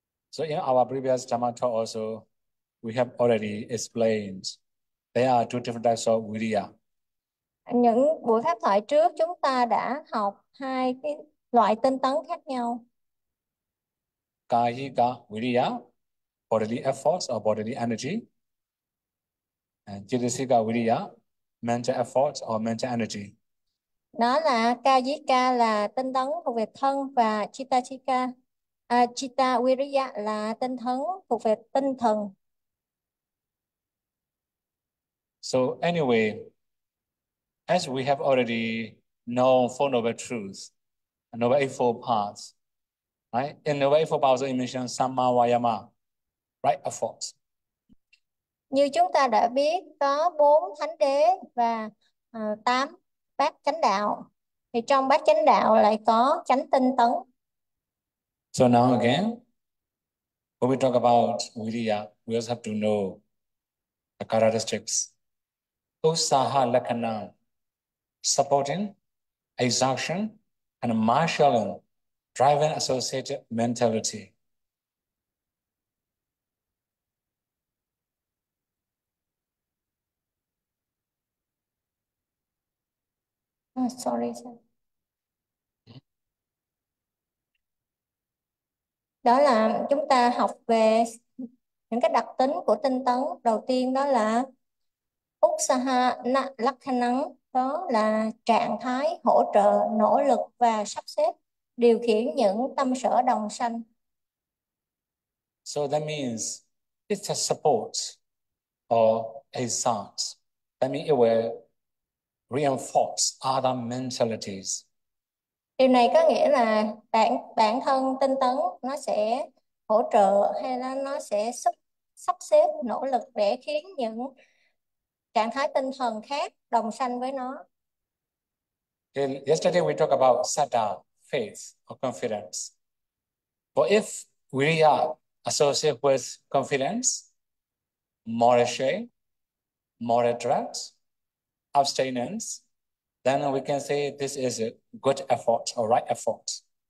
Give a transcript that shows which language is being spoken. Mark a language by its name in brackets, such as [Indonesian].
[English] So in our previous Dhamma talk also, we have already explained there are two different types of viriya. [Vietnamese] Những buổi pháp thoại trước chúng ta đã học hai cái loại tinh tấn khác nhau. [English] Kayika viriya, bodily efforts or bodily energy. And Jitisika viriya, mental efforts or mental energy. [Vietnamese] Đó là Kayika là tinh tấn thuộc về thân và Chitta-viriya là tinh tấn thuộc về tinh thần. [English] So anyway, as we have already known Four Noble Truths, Noble Eightfold Paths, right? In Noble Eightfold Paths, you mentioned Sammāvāyāma, right? Efforts. [Vietnamese] Như chúng ta đã biết, có bốn thánh đế và tám bát chánh đạo, thì trong bát chánh đạo lại có chánh tinh tấn. [English] So now again, when we talk about viriya, we also have to know the characteristics. Usaha lakkhana, supporting, exertion, and marshaling, driving associated mentality. Sorry. [Vietnamese] Đó là chúng ta học về những cái đặc tính của tinh tấn. Đầu tiên đó là Utsaha Lakkhanam, đó là trạng thái hỗ trợ, nỗ lực và sắp xếp điều khiển những tâm sở đồng sanh. [English] So that means it's a support or a exert. That means it will reinforce other mentalities. [Vietnamese] Điều này có nghĩa là bản bản thân tinh tấn nó sẽ hỗ trợ hay là nó sẽ sắp xếp nỗ lực để khiến những trạng thái tinh thần khác đồng sanh với nó. [English] Then yesterday we talked about sadha, faith or confidence. But if we are associated with confidence, moderation, moderate, abstinence, then we can say this is a good effort or right effort.